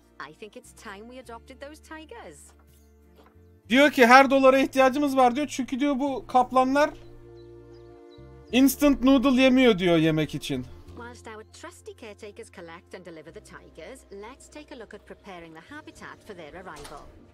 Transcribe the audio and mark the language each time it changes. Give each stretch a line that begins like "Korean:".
English: I think it's time we adopted those tigers.
Turkish: Diyor ki her dolara ihtiyacımız var diyor. Çünkü diyor bu kaplanlar instant noodle yemiyor diyor yemek için.
English: Whilst our trusty caretakers collect and deliver the tigers, let's take a look at preparing the habitat for their arrival.